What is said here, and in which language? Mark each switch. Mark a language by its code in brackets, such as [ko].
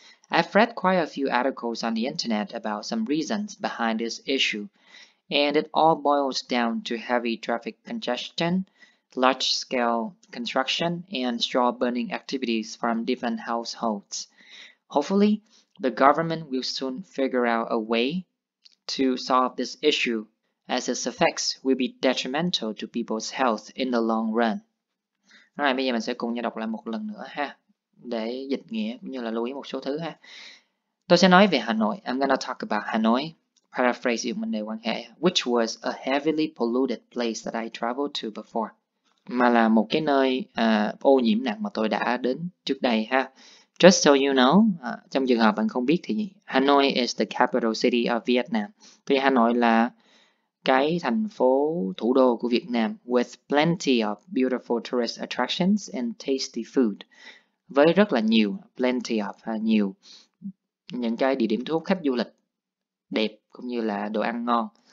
[en] I've read quite a few articles on the internet about some reasons behind this issue, and it all boils down to heavy traffic congestion, large-scale construction, and straw burning activities from different households. Hopefully, the government will soon figure out a way to solve this issue, as its effects will be detrimental to people's health in the long run. [vi] Rồi, bây giờ mình sẽ cùng nhau đọc lại một lần nữa ha, để dịch nghĩa cũng như là lưu ý một số thứ ha. Tôi sẽ nói về Hà Nội. [en] I'm gonna talk about Hanoi. Paraphrase you mình đề quan hệ. Which was a heavily polluted place that I traveled to before. [vi] Mà là một cái nơi ô nhiễm nặng mà tôi đã đến trước đây ha. Just so you know, trong trường hợp bạn không biết thì Hanoi is the capital city of Vietnam. Vì Hà Nội là cái thành phố thủ đô của Việt Nam, with plenty of beautiful tourist attractions and tasty food, với rất là nhiều, plenty of, nhiều những cái địa điểm thu hút khách du lịch đẹp cũng như là đồ ăn ngon.